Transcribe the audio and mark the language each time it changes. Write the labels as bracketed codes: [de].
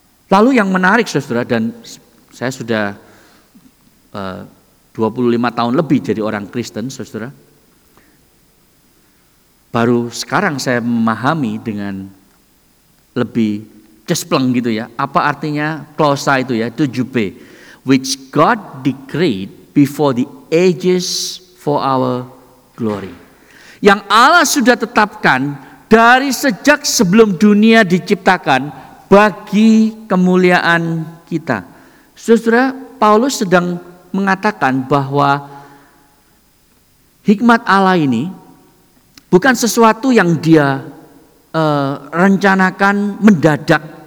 [id] Lalu yang menarik, saudara, dan saya sudah 25 tahun lebih jadi orang Kristen, saudara. Baru sekarang saya memahami dengan lebih cespleng gitu ya. Apa artinya klausa itu ya, 7B. [en] Which God decreed before the ages for our glory. [id] Yang Allah sudah tetapkan dari sejak sebelum dunia diciptakan bagi kemuliaan kita. Saudara, Paulus sedang mengatakan bahwa hikmat Allah ini bukan sesuatu yang dia rencanakan mendadak.